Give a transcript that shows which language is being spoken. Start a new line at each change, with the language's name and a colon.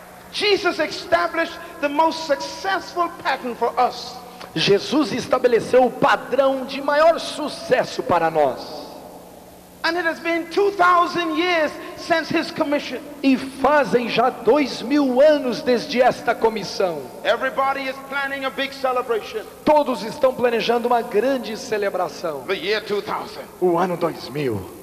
English: Jesus established the most successful pattern for us.
Portuguese: Jesus estabeleceu o padrão de maior sucesso para nós.
English: And it has been 2000 years since his commission.
Portuguese: E fazem já 2000 anos desde esta comissão.
English: Everybody is planning a big celebration.
Portuguese: Todos estão planejando uma grande celebração.
English: The year 2000.
Portuguese: O ano 2000.